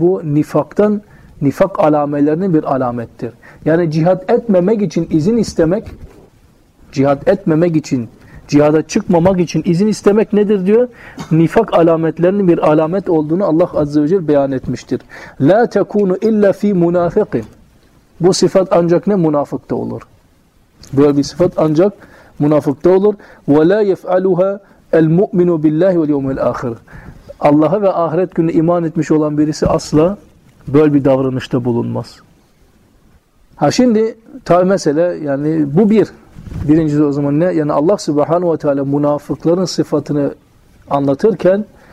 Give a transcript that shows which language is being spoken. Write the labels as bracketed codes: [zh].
[tr] Bu nifaktan, nifak alamelerinin bir alamettir. Yani cihad etmemek için izin istemek, cihad etmemek için, cihada çıkmamak için izin istemek nedir diyor? Nifak alametlerinin bir alamet olduğunu Allah Azze ve Celle beyan etmiştir. [ar] لَا تَكُونُ اِلَّا ف۪ي مُنَافِقٍ [tr] Bu sıfat ancak ne? Münafıkta olur. Böyle bir sıfat ancak münafıkta olur. [ar] وَلَا يَفْعَلُهَا الْمُؤْمِنُ بِاللّٰهِ وَالْيَوْمِ الْآخِرِ [tr] Allah'a ve ahiret gününe iman etmiş olan birisi asla böyle bir davranışta bulunmaz. Ha şimdi tabi mesele yani bu bir. Birincisi o zaman ne? Yani Allah Subhanahu ve Teala münafıkların sıfatını anlatırken